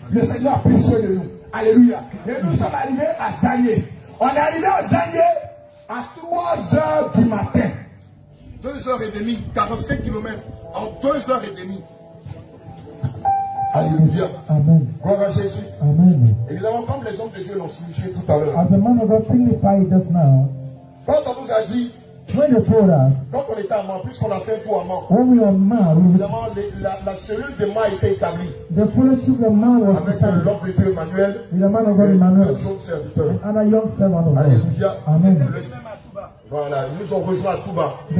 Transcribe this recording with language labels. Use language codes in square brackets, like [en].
[fr] Le Seigneur a pris soin de nous. Alléluia. Et nous sommes arrivés à Zagné. On est arrivé à Zagné à 3h du matin. 2h30, 45 km, en 2h30. Alléluia. Amen. Gloire à Jésus. Amen. Et nous avons comme les hommes de Dieu l'ont signifié tout à l'heure. [en] As the man of God signified just now. [fr] Quand on nous a dit. [en] When they told us. [fr] Quand on était à Mans, puisqu'on a fait un coup à Mans. [en] When we were Mans. [fr] Évidemment, la cellule de Mans était établie. [en] The fellowship of Mans was [fr] avec [en] established. [fr] Avec l'homme de Dieu Emmanuel. [en] With the man of God Emmanuel. [fr] Un jeune serviteur. [en] And a young servant of God. Alléluia. Amen. [fr] Voilà, ils nous ont rejoints à Touba.